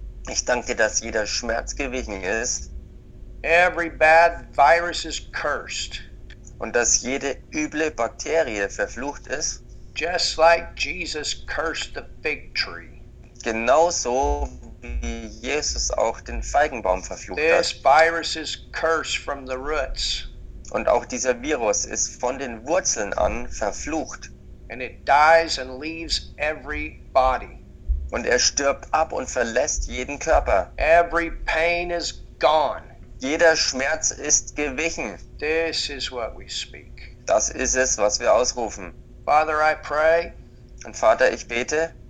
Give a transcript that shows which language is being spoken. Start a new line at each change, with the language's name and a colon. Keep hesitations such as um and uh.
German: Ich danke dir, dass jeder Schmerz gewichen ist.
English: Every bad virus is cursed.
German: und dass jede üble Bakterie verflucht ist.
English: Just like Jesus cursed the fig tree.
German: Genauso wie Jesus auch den Feigenbaum verflucht
English: this
German: hat.
English: This virus is cursed from the roots.
German: Und auch dieser Virus ist von den Wurzeln an verflucht.
English: And it dies and leaves every body.
German: Und er stirbt ab und verlässt jeden Körper.
English: Every pain is gone.
German: Jeder Schmerz ist gewichen. Is das ist es, was wir ausrufen.
English: Father,
German: Und Vater, ich bete.